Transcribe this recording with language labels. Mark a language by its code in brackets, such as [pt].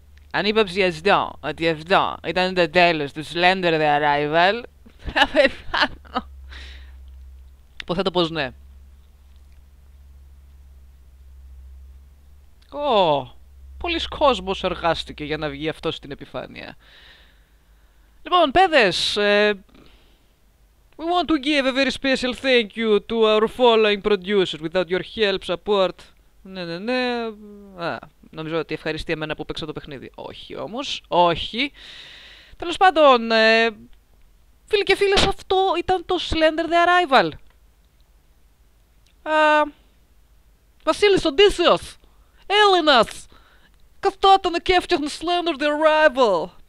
[el] Αν είπα ψιαστό ότι αυτό ήταν το τέλος του Slender The Arrival, θα πεθάνω. Υποθέτω πως ναι. Ω, oh, πολλής κόσμος εργάστηκε για να βγει αυτό στην επιφάνεια. Λοιπόν, παιδες, [en] we want to give a very special thank you to our following producers. Without your help, support... [el] Ναι, ναι, ναι... Α, νομίζω ότι ευχαριστεί εμένα που παίξα το παιχνίδι. Όχι όμως, όχι. Τέλος πάντων, φίλοι και φίλες, αυτό ήταν το Slender The Arrival. Βασίλης Οντίσιος, Έλληνας, καθόταν και έφτιαχνε Slender The Arrival.